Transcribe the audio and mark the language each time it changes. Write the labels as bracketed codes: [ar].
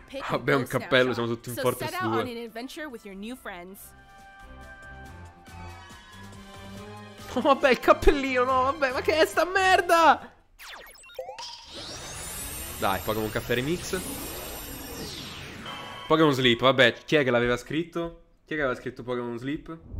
[it] Vabbè, un cappello, siamo tutti in Fortress 2. [en] On an adventure with your new friends. [it] Oh, vabbè, il cappellino, no, vabbè, ma che è sta merda? Dai, Pokémon Caffè Remix. Pokémon Sleep, vabbè, chi è che l'aveva scritto? Chi è che aveva scritto Pokémon Sleep?